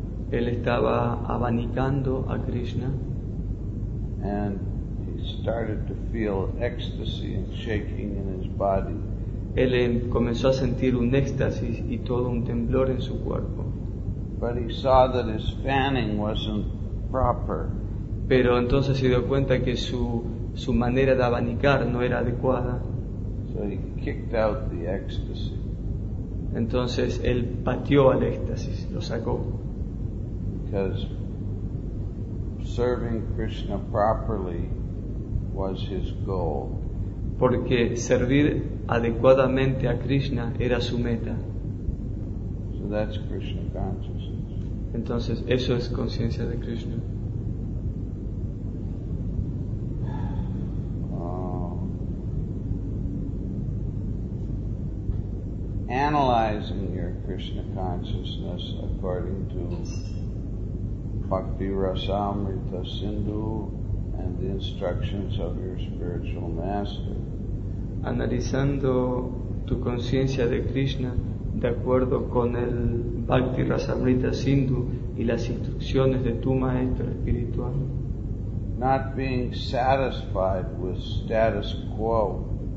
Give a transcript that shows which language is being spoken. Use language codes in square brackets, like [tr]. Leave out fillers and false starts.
[es] Él estaba abanicando a Krishna. [en] And he started to feel ecstasy and shaking in his body. [es] Él comenzó a sentir un éxtasis y todo un temblor en su cuerpo. [en] But he saw that his fanning wasn't proper. [es] Pero entonces se dio cuenta que su manera de abanicar no era adecuada. [en] So he kicked out the ecstasy. [es] Entonces él pateó al éxtasis, lo sacó. [en] Because serving Krishna properly was his goal. [es] Porque servir adecuadamente a Krishna era su meta. [en] So that's Krishna consciousness. [es] Entonces eso es conciencia de Krishna. [en] Analyzing your Krishna consciousness according to Bhakti Rasamrita Sindhu and the instructions of your spiritual master. [es] Analizando tu conciencia de Krishna de acuerdo con el Bhakti Rasamrita Sindhu y las instrucciones de tu maestro espiritual. [en] Not being satisfied with status quo.